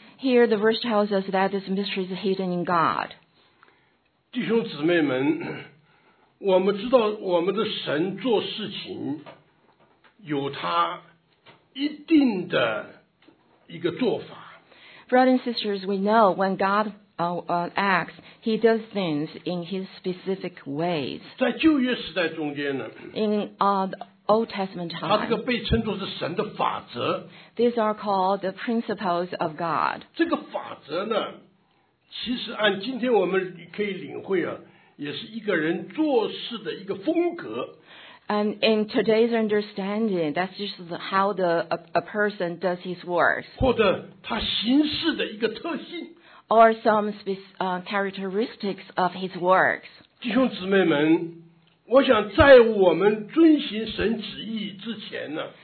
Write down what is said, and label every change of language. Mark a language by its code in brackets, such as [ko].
[en] Here the verse tells us that this mystery is hidden in God. [zh] 弟兄姊妹们，我们知道我们的神做事情有他一定的一个做法。 [en] Brothers and sisters, we know when God acts, He does things in His specific ways. [zh] 在旧约时代中间呢 [en] In the Old Testament time, [zh] 他这个被称作是神的法则 [en] These are called the principles of God. [zh] 这个法则呢，其实按今天我们可以领会啊，也是一个人做事的一个风格。 [en] And in today's understanding, that's just how a person does his work. [zh] 或者他行事的一个特性。 [en] Or some characteristics of his works. [zh] 弟兄姊妹们，我想在我们遵行神旨意之前呢。